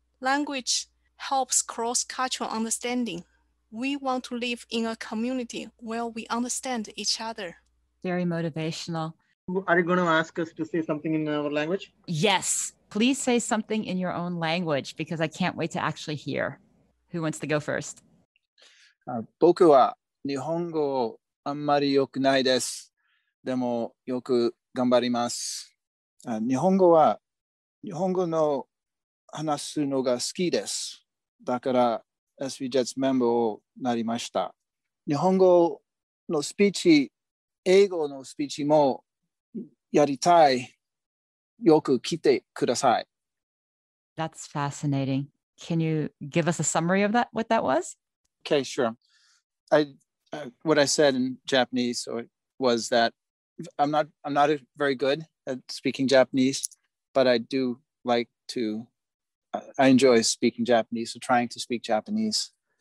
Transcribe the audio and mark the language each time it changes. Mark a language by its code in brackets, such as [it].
[en] Language helps cross-cultural understanding. We want to live in a community where we understand each other. Very motivational. Are you going to ask us to say something in our language? Yes. Please say something in your own language because I can't wait to actually hear. Who wants to go first? [ja] 僕は日本語あんまり良くないです。でもよく頑張ります。日本語は日本語の話すのが好きです。だから SVJETS メンバーになりました。日本語のスピーチ、英語のスピーチもやりたい。よく聞いてください。 [en] That's fascinating. Can you give us a summary of that, what that was? Okay, sure. What I said in Japanese was that I'm not very good at speaking Japanese, but I do like to, I enjoy speaking Japanese, so trying to speak Japanese.